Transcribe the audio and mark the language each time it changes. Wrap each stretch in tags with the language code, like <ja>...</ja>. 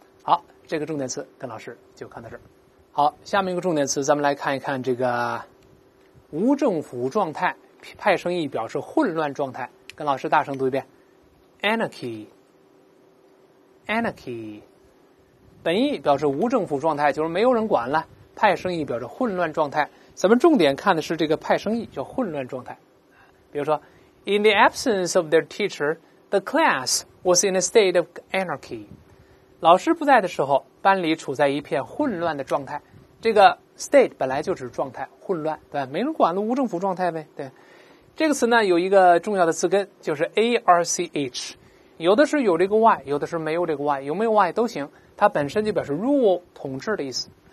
<zh>好，这个重点词跟老师就看到这儿。好，下面一个重点词咱们来看一看这个无政府状态，派生意表示混乱状态，跟老师大声读一遍 anarchy。本意表示无政府状态，就是没有人管了，派生意表示混乱状态。咱们重点看的是这个派生意叫混乱状态。比如说</zh> <en>In the absence of their teacher, the class was in a state of anarchy。</en> <zh>老师不在的时候，班里处在一片混乱的状态。这个 state 本来就是状态，混乱，对吧？没人管了，无政府状态呗。对，这个词呢有一个重要的词根，就是 arch。有的是有这个 y， 有的是没有这个 y， 有没有 y 都行，它本身就表示 rule 统治的意思。</zh>